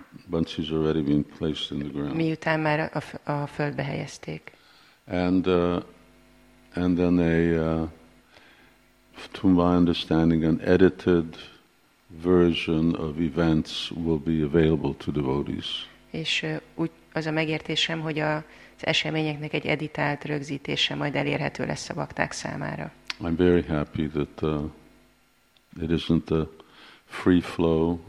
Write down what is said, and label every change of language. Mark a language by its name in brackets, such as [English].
[English] Once he's already been placed in the ground. [Hungarian] Miután már a földbe helyezték. [English] And then to my understanding, an edited version of events will be available to devotees. [Hungarian] És az a megértésem, hogy az eseményeknek egy editált rögzítése majd elérhető lesz a bakták számára. [English] I'm very happy that it isn't a free flow.